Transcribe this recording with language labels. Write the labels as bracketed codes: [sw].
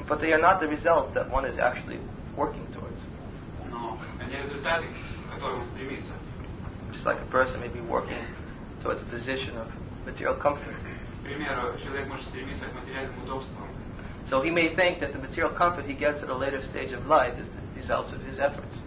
[en] But they are not the results that one is actually working towards. [ru] Но они результаты, к которым он стремится. [en] Just like a person may be working towards a position of material comfort. [ru] К примеру, человек может стремиться к материальным удобствам. [en] So he may think that the material comfort he gets at a later stage of life is the results of his efforts.